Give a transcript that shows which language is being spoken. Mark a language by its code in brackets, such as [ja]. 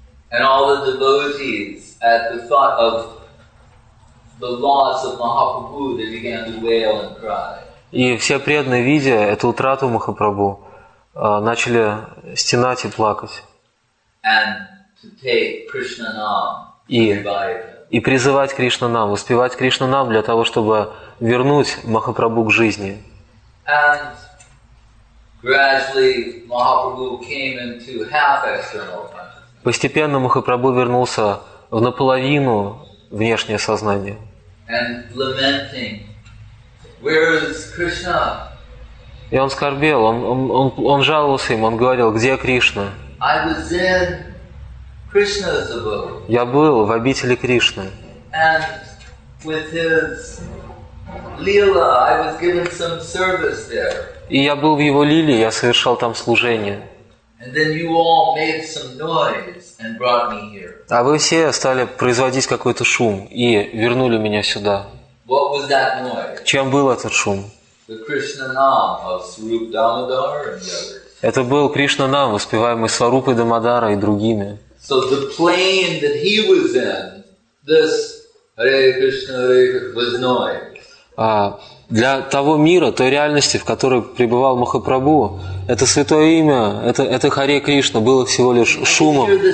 [en] And all the devotees, at the thought of the loss of Mahaprabhu, they began to wail and cry. [ru] И все преданные, видя эту утрату Махапрабху, начали стенать и плакать. [en] And to take Krishna Nam, [ru] и призывать Кришна Нам, воспевать Кришна Нам для того, чтобы вернуть Махапрабху к жизни. [en] And gradually Mahaprabhu came into half external consciousness. [ru] Постепенно Махапрабху вернулся в наполовину внешнее сознание. [en] And lamenting, where is Krishna? [ru] И он скорбел, он жаловался им, он говорил, где Кришна? [en] I was in Krishna's abode. [ru] Я был в обители Кришны. [en] And with his lila, I was given some service there. [ru] И я был в его лиле, я совершал там служение. [en] And then you all made some noise and brought me here. [ru] А вы все стали производить какой-то шум и вернули меня сюда. [en] What was that noise? [ru] Чем был этот шум? [en] The Krishna Nam of Swarup Damodar and others. [ru] Это был Кришна Нам, воспеваемый Сварупой Дамодара и другими. [en] So the plane that he was in, this Hare Krishna, Hare Krishna, was noise. [ru] Для того мира, той реальности, в которой пребывал Махапрабху, это святое имя, это Харе Кришна, было всего лишь шумом.